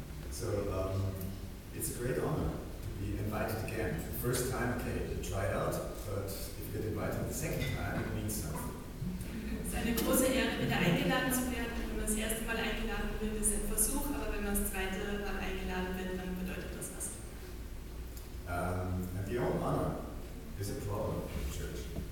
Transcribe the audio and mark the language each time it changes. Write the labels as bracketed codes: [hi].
[en] So, it's a great honor to be invited again. The first time, okay, to try it out, but if you get invited the second time, it means something. [de] Es ist eine große Ehre, wieder eingeladen zu werden. Wenn man das erste Mal eingeladen wird, ist ein Versuch, aber wenn man das zweite Mal eingeladen wird, dann bedeutet das was. [en] And the old honor is a problem in the church.